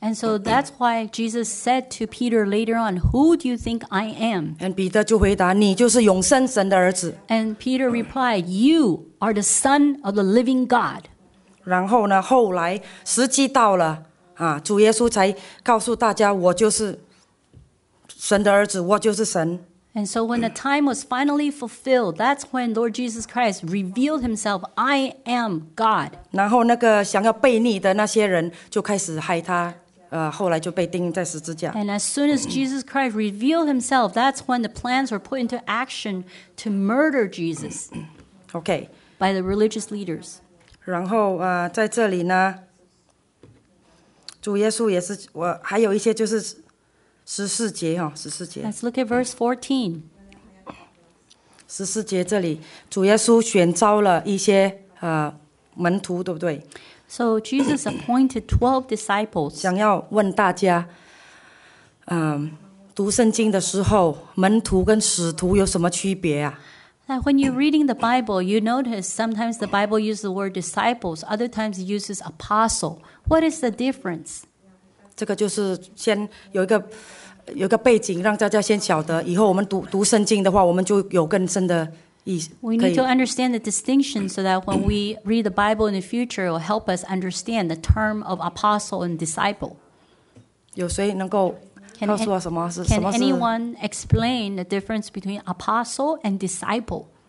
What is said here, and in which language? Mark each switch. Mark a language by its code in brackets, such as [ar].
[en] And so that's why Jesus said to Peter later on, "Who do you think I am?" And Peter [zh] 就回答：“你就是永生神的儿子。” [en] And Peter replied, "You are the Son of the Living God." [zh] 然后呢？后来时机到了啊，主耶稣才告诉大家：“我就是神的儿子，我就是神。” [en] And so when the time was finally fulfilled, that's when Lord Jesus Christ revealed Himself, "I am God." [zh] 然后那个想要悖逆的那些人就开始害他。后来就被钉在十字架。 [en] And as soon as Jesus Christ revealed Himself, that's when the plans were put into action to murder Jesus. Okay. By the religious leaders. [zh] 然后在这里呢，主耶稣也是我还有一些就是十四节哈，十四节。 [en] Let's look at verse 14. [zh] 十四节这里，主耶稣选召了一些门徒，对不对？ [en] So Jesus appointed 12 disciples. [zh] 想要问大家，读圣经的时候，门徒跟使徒有什么区别啊？ [en] That when you're reading the Bible, you notice sometimes the Bible uses the word disciples, other times it uses apostle. What is the difference? [zh] 这个就是先有一个背景，让大家先晓得，以后我们读圣经的话，我们就有更深的。 [en] We need to understand the distinction so that when we read the Bible in the future, it will help us understand the term of apostle and disciple. [zh] 有谁能够告诉我什么是什么是 [en] Can anyone explain the difference between apostle and disciple?